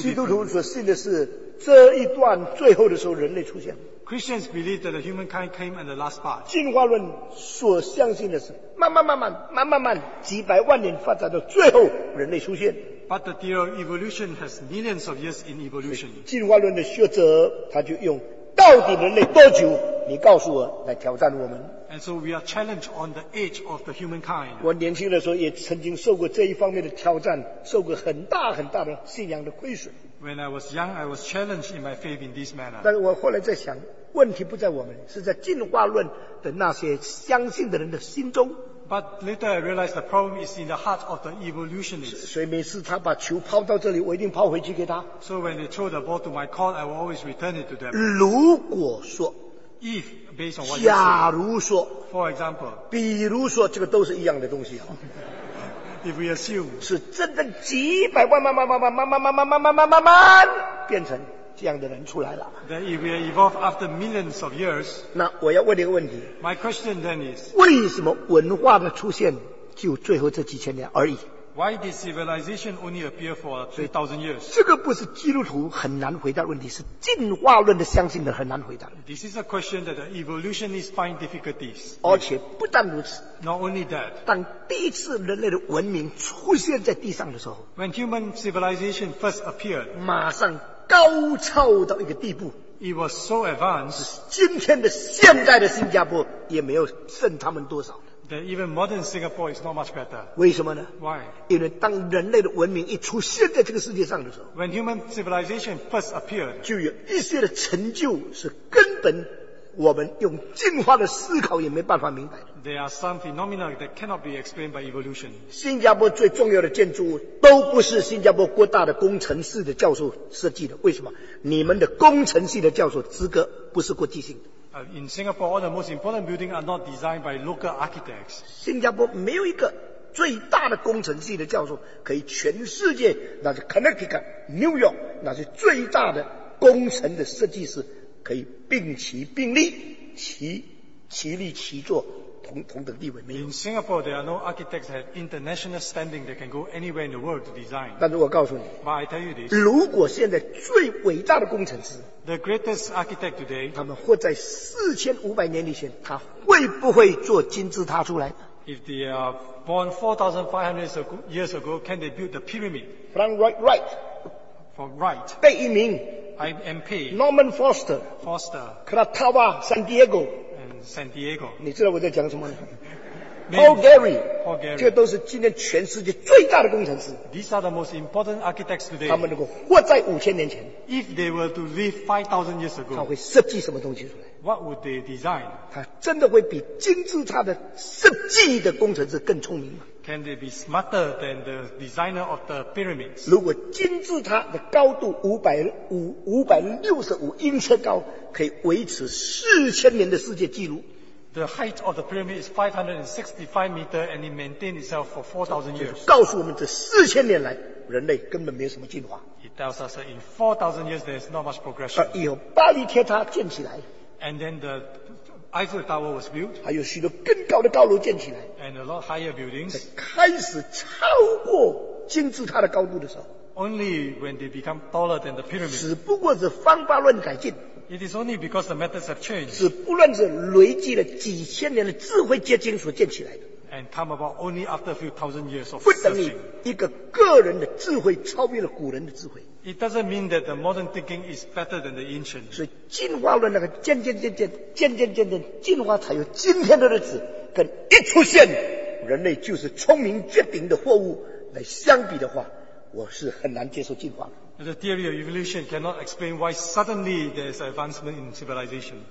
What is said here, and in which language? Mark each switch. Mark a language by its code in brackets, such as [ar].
[en] different. [zh] 基督徒所信的是这一段最后的时候人类出现。 [en] Christians believe that the humankind came at the last part. [zh] 进化论所相信的是慢慢几百万年发展到最后人类出现。 [en] But the theory of evolution has millions of years in evolution. [zh] 进化论的学者他就用到底人类多久你告诉我来挑战我们。 [en] And so we are challenged on the age of the humankind. [zh] 我年轻的时候也曾经受过这一方面的挑战，受过很大很大的信仰的亏损。 [en] When I was young, I was challenged in my faith in this manner. [zh] 但是我后来在想，问题不在我们，是在进化论的那些相信的人的心中。 [en] But later I realized the problem is in the heart of the evolutionist. [zh] 所以每次他把球抛到这里，我一定抛回去给他。 [en] So when they throw the ball to my court, I will always return it to them. [zh] 如果说 [en] if based on what [zh] 假如说 [en] for example, [zh] 比如说这个都是一样的东西啊。 [en] If we assume [zh] 是真的几百万慢慢慢慢慢慢慢慢慢慢慢慢慢变成这样的人出来了。 [en] Then if we evolve after millions of years, [zh] 那我要问你一个问题。 [en] My question then is, [zh] 为什么文化的出现就最后这几千年而已？ [en] Why did civilization only appear for 3,000 years? [zh] 这个不是基督徒很难回答的问题，是进化论的相信的很难回答。 [en] This is a question that the evolutionists find difficulties. [zh] 而且不但如此。 [en] Not only that. [zh] 当第一次人类的文明出现在地上的时候。 [en] When human civilization first appeared. [zh] 马上高超到一个地步。 [en] It was so advanced. [zh] 今天的现在的新加坡也没有胜他们多少。 [en] That even modern Singapore is not much better. [zh] 为什么呢？ [en] Why? [zh] 因为当人类的文明一出现在这个世界上的时候， [en] When human civilization first appeared, [zh] 就有一些的成就是根本我们用进化的思考也没办法明白的。 [en] There are some phenomena that cannot be explained by evolution. [zh] 新加坡最重要的建筑物都不是新加坡国大的工程系的教授设计的。为什么？你们的工程系的教授资格不是国际性的。 [en] In Singapore, all the most important buildings are not designed by local architects. [zh] 新加坡没有一个最大的工程系的教授可以全世界，那是 Connecticut, New York, 那是最大的工程的设计师可以并齐并立，齐力齐坐，同等地位没有。 [en] In Singapore, there are no architects that have international standing that can go anywhere in the world to design. [zh] 但是我告诉你， [en] But I tell you this, [zh] 如果现在最伟大的工程师 [en] The greatest architect today, [zh] 他们活在4500年以前，他会不会做金字塔出来？ [en] If they are born 4500 years ago, can they build the pyramid? Frank Lloyd Wright, For Wright, [zh] 贝聿铭 [en] IMP, Norman Foster, Foster, Kratawa, San Diego, and San Diego. [zh] 你知道我在讲什么吗？ [en] Paul Gary, [zh] 这都是今天全世界最大的工程师。 [en] These are the most important architects today. [zh] 他们能够活在五千年前。 [en] If they were to live 5,000 years ago, [zh] 他会设计什么东西出来 [en] ？What would they design? [zh] 他真的会比金字塔的设计的工程师更聪明吗 [en] ？Can they be smarter than the designer of the pyramids? [zh] 如果金字塔的高度565英尺高，可以维持四千年的世界纪录。 [en] The height of the pyramid is 565 meters and it maintained itself for 4,000 years. [zh] 告诉我们这四千年来人类根本没有什么进化。 [en] It tells us that in 4,000 years there is not much progression. [zh] 以后巴黎铁塔建起来。 [en] And then the Eiffel Tower was built. [zh] 还有许多更高的高楼建起来。 [en] And a lot higher buildings. [zh] 开始超过金字塔的高度的时候。 [en] Only when they become taller than the pyramid. [zh] 只不过是方法论改进。 [en] It is only because the methods have changed. [zh] 是不论是累积了几千年的智慧结晶所建起来的。 [en] And come about only after a few thousand years of searching. [zh] 不等于一个个人的智慧超越了古人的智慧。 [en] It doesn't mean that the modern thinking is better than the ancient. [zh] 所以进化论那个渐渐进化才有今天的日子，跟一出现人类就是聪明绝顶的货物来相比的话，我是很难接受进化的。 [en] The theory of evolution cannot explain why suddenly there is advancement in civilization.